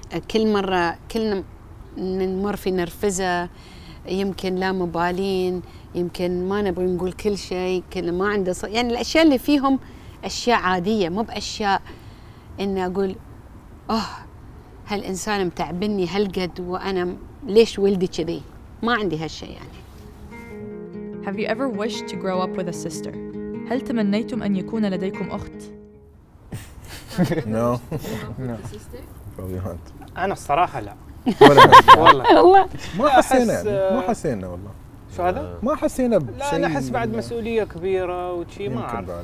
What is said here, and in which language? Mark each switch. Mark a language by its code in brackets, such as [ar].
[ar] كل مرة كلنا نمر في نرفزة يمكن لا مبالين يمكن ما نبغي نقول كل شيء كلنا ما عنده يعني الأشياء اللي فيهم أشياء عادية مو بأشياء إن أقول أوه هالإنسان متعبني هالقد وأنا ليش ولدي كذي ما عندي هالشيء يعني. [en] Have you ever wished to grow up with a sister? [ar] هل تمنيتم أن يكون لديكم أخت؟ [en] No. Probably not. [ar] أنا الصراحة لا. والله. ما حسينا. ما حسينا والله. شو هذا؟ ما حسينا بشيء. لا أنا أحس بعد مسؤولية كبيرة وشيء ما أعرف.